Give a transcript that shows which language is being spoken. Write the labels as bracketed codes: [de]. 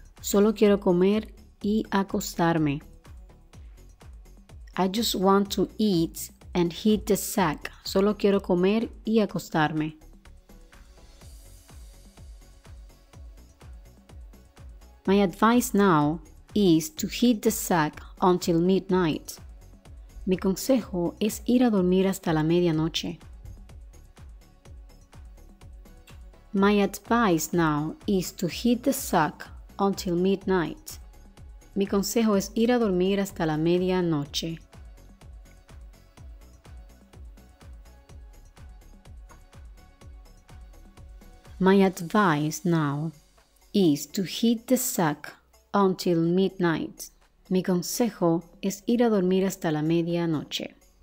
[es] Solo quiero comer y acostarme. [en] I just want to eat and hit the sack. [es] Solo quiero comer y acostarme. [en] My advice now is to hit the sack until midnight. [es] Mi consejo es ir a dormir hasta la medianoche. [en] My advice now is to hit the sack until midnight. [es] Mi consejo es ir a dormir hasta la medianoche. [en] My advice now is to hit the sack until midnight. [es] Mi consejo es ir a dormir hasta la medianoche.